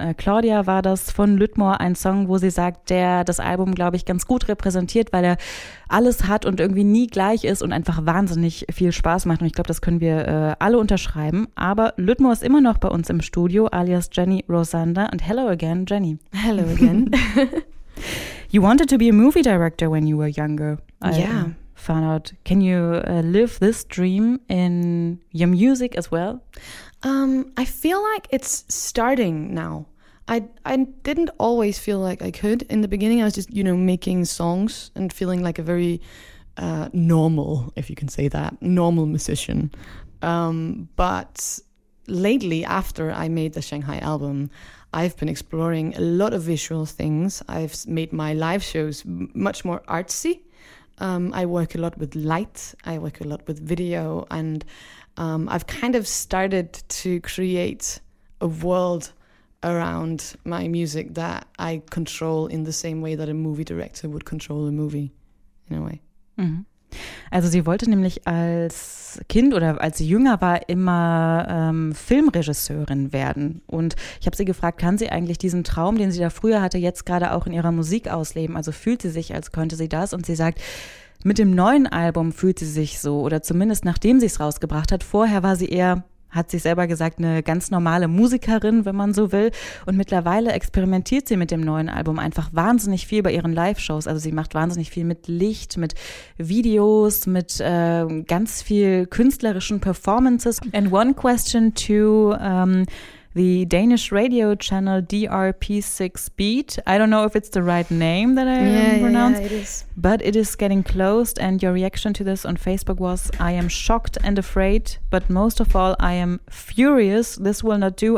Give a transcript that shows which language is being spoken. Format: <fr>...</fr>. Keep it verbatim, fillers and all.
<de>Äh, Claudia war das von Lüttmore, ein Song, wo sie sagt, der das Album, glaube ich, ganz gut repräsentiert, weil er alles hat und irgendwie nie gleich ist und einfach wahnsinnig viel Spaß macht. Und ich glaube, das können wir äh, alle unterschreiben. Aber Lüttmore ist immer noch bei uns im Studio, alias Jenny Rosander.</de> <en>Und hello again, Jenny. Hello again. You wanted to be a movie director when you were younger. I, yeah. Found out. Can you uh, live this dream in your music as well? Um, I feel like it's starting now. I I didn't always feel like I could. In the beginning, I was just, you know, making songs and feeling like a very uh, normal, if you can say that, normal musician. Um, but lately, after I made the Shanghai album, I've been exploring a lot of visual things. I've made my live shows m- much more artsy. Um, I work a lot with light, I work a lot with video, and um, I've kind of started to create a world around my music that I control in the same way that a movie director would control a movie, in a way. Mhm.</en> <de>Also sie wollte nämlich als Kind oder als sie jünger war immer ähm, Filmregisseurin werden. Und ich habe sie gefragt, kann sie eigentlich diesen Traum, den sie da früher hatte, jetzt gerade auch in ihrer Musik ausleben? Also fühlt sie sich, als könnte sie das? Und sie sagt, mit dem neuen Album fühlt sie sich so, oder zumindest nachdem sie es rausgebracht hat. Vorher war sie eher hat sich selber gesagt, eine ganz normale Musikerin, wenn man so will. Und mittlerweile experimentiert sie mit dem neuen Album einfach wahnsinnig viel bei ihren Live-Shows. Also sie macht wahnsinnig viel mit Licht, mit Videos, mit äh, ganz viel künstlerischen Performances.</de> <en>And one question to um, the Danish radio channel D R P six Beat. I don't know if it's the right name that I yeah, pronounce. Yeah, yeah, it is. But it is getting closed, and your reaction to this on Facebook was, I am shocked and afraid, but most of all, I am furious. This will not do.</en>